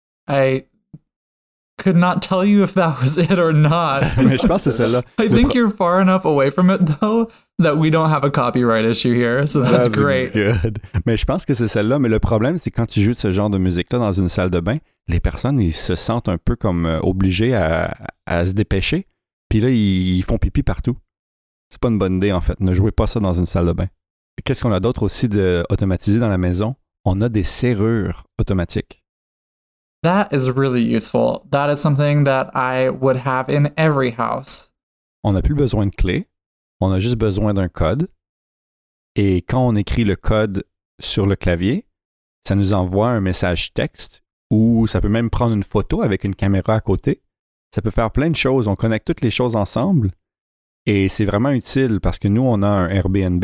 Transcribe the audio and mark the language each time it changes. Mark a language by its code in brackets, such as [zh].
[en] I could not tell you if that was it or not. [fr] Mais je pense que c'est celle-là. [en] I think you're far enough away from it, though, that we don't have a copyright issue here, so that's great. [fr] Good. Mais je pense que c'est celle-là. Mais le problème, c'est quand tu joues ce genre de musique-là dans une salle de bain, les personnes, ils se sentent un peu comme obligés à se dépêcher. Puis là, ils font pipi partout. C'est pas une bonne idée, en fait. Ne jouez pas ça dans une salle de bain. Qu'est-ce qu'on a d'autre aussi d'automatiser dans la maison? On a des serrures automatiques. [en] That is really useful. That is something that I would have in every house. [fr] On n'a plus besoin de clé. On a juste besoin d'un code. Et quand on écrit le code sur le clavier, ça nous envoie un message texte ou ça peut même prendre une photo avec une caméra à côté. Ça peut faire plein de choses. On connecte toutes les choses ensemble. Et c'est vraiment utile parce que nous, on a un Airbnb.